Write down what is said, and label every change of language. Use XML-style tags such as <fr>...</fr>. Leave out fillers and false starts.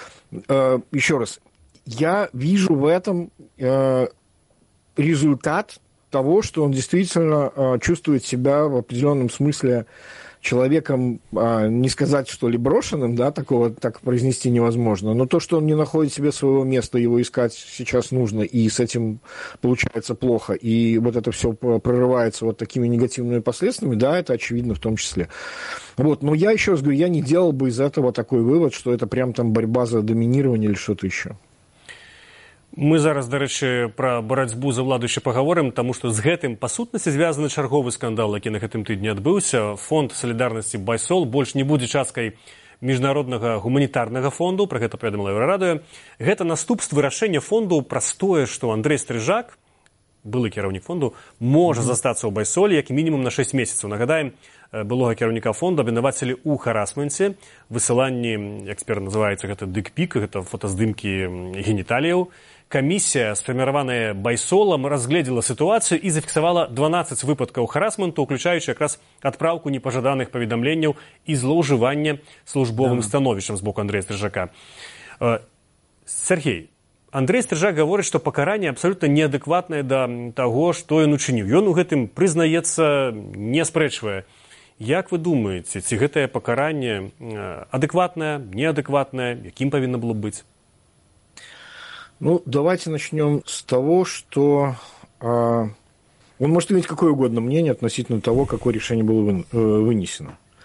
<ru>Еще раз, я вижу в этом результат того, что он действительно чувствует себя в определенном смысле человеком, не сказать, что ли, брошенным, да, такого так произнести невозможно, но то, что он не находит себе своего места, его искать сейчас нужно, и с этим получается плохо, и вот это все прорывается вот такими негативными последствиями, да, это очевидно в том числе. Вот, но я еще раз говорю, я не делал бы из этого такой вывод, что это прям там борьба за доминирование или что-то еще.</ru> <be>Мы зараз, дарэчы, пра барацьбу за ўладу яшчэ пагаворым, таму што з гэтым па сутнасці звязаны чарговы скандал, які на гэтым тыдні адбыўся. Фонд салідарнасці Байсол больш не будзе часткай міжнароднага гуманітарнага фонду, пра гэта паведаміла Еўрарадыё. Гэта наступствы рашэння фонду пра тое, што Андрэй Стрыжак, былы кіраўнік фонду, можа застацца ў Байсолі як мінімум на 6 месяцаў. Нагадаем, былога кіраўніка фонду абвінавацілі ў харасменце, высыланні, як цяпер называецца гэта дыкпік, гэта фотаздымкі геніталіяў. Камісія, сфарміраваная Байсолам, разгледзела сітуацыю і зафіксавала 12 выпадкаў харасменту, уключаючы якраз адпраўку непажаданых паведамленняў і злоўжывання службовым становішчам з боку Андрэя Стрыжака. Сергей, Андрэй Стрыжак гаворыць, што пакаранне абсалютна неадэкватнае да таго, што ён учыніў. Ён у гэтым прызнаецца, не спрэчвае. Як вы думаеце, ці гэтае пакаранне адэкватнае, неадэкватнае, якім павінна было быць?</be> <ru>Ну, давайте начнем с того, что он может иметь какое угодно мнение относительно того, какое решение было вынесено.</ru>